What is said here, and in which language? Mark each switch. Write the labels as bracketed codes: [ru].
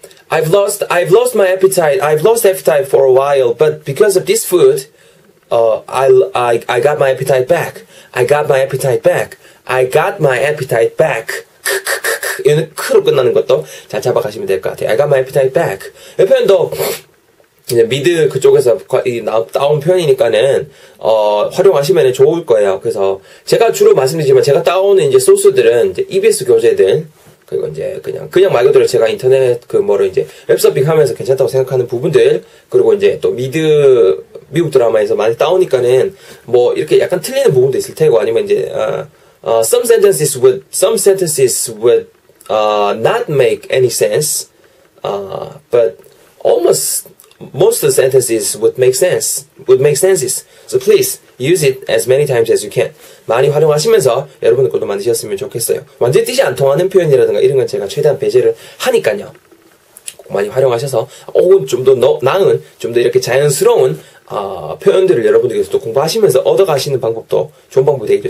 [en] I've lost my appetite for a while, but because of this food, I got my appetite back. I got my appetite back. I got my appetite back. [ko] 얘는 크로 끝나는 것도 잘 잡아가시면 될 것 같아요. [en] I got my appetite back. [ko] 이 표현도 이제 미드 그쪽에서 따온 표현이니까는 활용하시면 좋을 거예요. 그래서 제가 주로 말씀드리지만 제가 따오는 이제 소스들은 이제 EBS 교재들 그리고 이제 그냥 말 그대로 제가 인터넷 그 뭐를 이제 웹서핑 하면서 괜찮다고 생각하는 부분들 그리고 이제 또 미드 미국 드라마에서 많이 따오니까는 뭐 이렇게 약간 틀리는 부분도 있을 테고 아니면 이제 [en] some sentences would not make any sense, but almost most of the sentences would make sense. So please use it as many times as you can. [ko] 많이 활용하시면서 여러분들 것도 만드셨으면 좋겠어요. 완전 뜻이 안 통하는 표현이라든가 이런 건 제가 최대한 배제를 하니까요. 꼭 많이 활용하셔서 혹은 좀 더 나은 좀 더 이렇게 자연스러운 표현들을 여러분들께서 또 공부하시면서 얻어가시는 방법도 좋은 방법이 되겠죠.